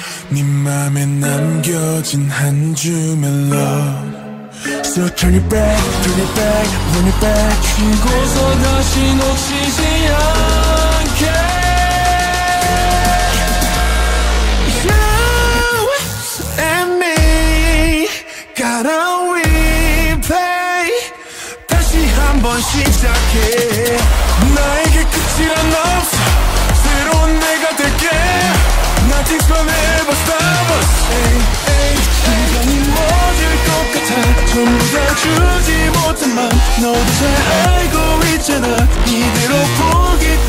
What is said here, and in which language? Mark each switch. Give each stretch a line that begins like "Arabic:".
Korean: 네 맘에 남겨진 한 줌의
English: love. So turn it back, turn it back, turn it back.
Korean: 쉬고서 다시 놓치지 않게.
English: You and me got a replay.
Korean: 다시 한번 시작해. 나에게 끝이란 없어. 새로운 내가 될게.
English: Nothing's gonna ever stop us.
Korean: Hey, hey, hey. 시간이 멎을 것 같아. 전부 다 주지 못한 맘 너도 잘 알고 있잖아. 이대로 포기.